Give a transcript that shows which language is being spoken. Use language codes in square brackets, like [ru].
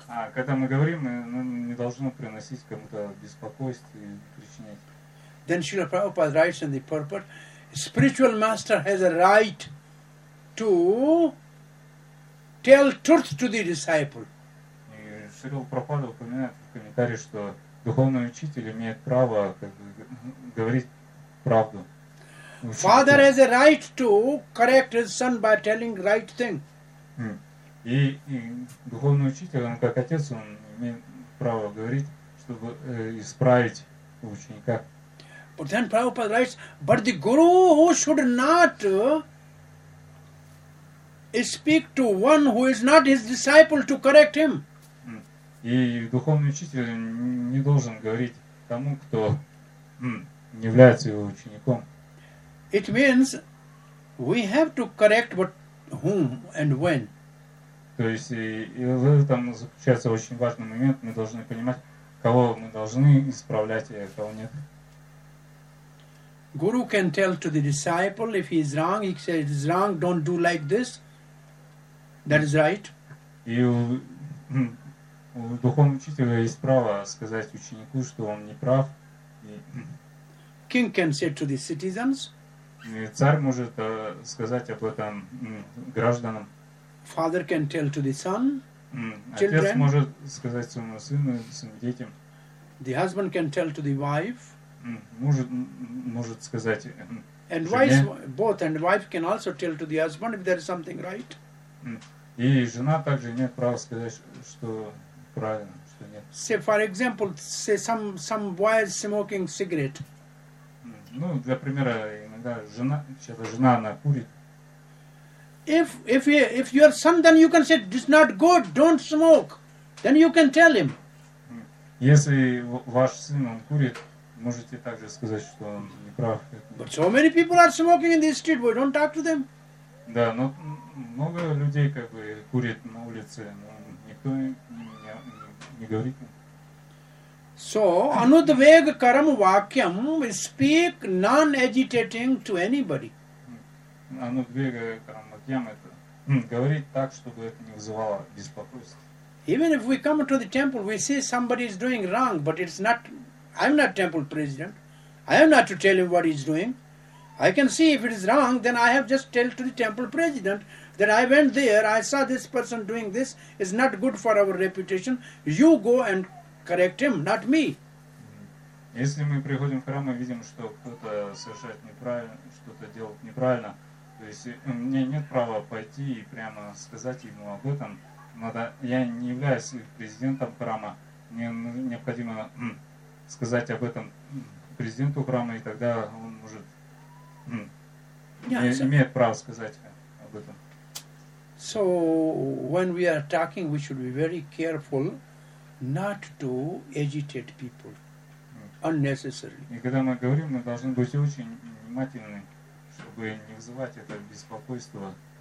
[ru] А когда мы говорим, мы не должны приносить кому-то беспокойство и причинять. [en] Then Srila Prabhupada writes in the purport, spiritual master has a right to tell truth to the disciple. [ru] И Шрила Прабхупада упоминает в комментарии, что духовный учитель имеет право как бы, говорить правду. [en] Father has a right to correct his son by telling right thing. [ru] И духовный учитель, он как отец, он имеет право говорить, чтобы исправить ученика. [en] But then Prabhupada writes, but the guru who should not speak to one who is not his disciple to correct him. [ru] И духовный учитель не должен говорить тому, кто не является его учеником. [en] It means we have to correct but whom and when. [ru] То есть и в этом заключается очень важный момент. Мы должны понимать, кого мы должны исправлять, а кого нет. [en] Guru can tell to the disciple if he is wrong. He says it is wrong. Don't do like this. That is right. [ru] И у духовного учителя есть право сказать ученику, что он не прав. [en] King can say to the citizens. [ru] И царь может сказать об этом гражданам. [en] Father can tell to the son, children. [ru] Отец может сказать своему сыну, своим детям. [en] The husband can tell to the wife. [ru] Может сказать жене. [en] And wife, both and wife can also tell to the husband if there is something right. [ru] И жена также имеет право сказать, что правильно, что нет. [en] Say for example, say some boy is smoking cigarette. [ru] Ну, для примера, иногда жена, сейчас жена, она курит. [en] If your son, then you can say, it's not good, don't smoke. Then you can tell him. [ru] Если ваш сын, он курит, можете также сказать, что он не прав. [en] But so many people are smoking in the street, boy, don't talk to them. [ru] Да, но много людей, как бы, курит на улице, но никто не говорит. [en] So, [sa] anudvega karam vakyam, [en] we speak non-agitating to anybody. [sa] Anudvega karam vakyam, [ru] это говорить так, чтобы это не вызывало беспокойства. [en] Even if we come to the temple, we see somebody is doing wrong, but it's not, I'm not temple president, I am not to tell him what he's doing. I can see if it is wrong, then I have just tell to the temple president that I went there, I saw this person doing this, it's not good for our reputation, you go and correct him, not me. [ru] Если мы приходим в храм и видим, что кто-то совершает неправильно, что-то делает неправильно, то есть мне нет права пойти и прямо сказать ему об этом. Надо, я не являюсь президентом храма, мне необходимо сказать об этом президенту храма, и тогда он может имеет право сказать об этом. [en] So when we are talking, we should be very careful not to agitate people unnecessarily. [ru] И когда мы говорим, мы должны быть очень внимательны, чтобы не вызывать это беспокойство.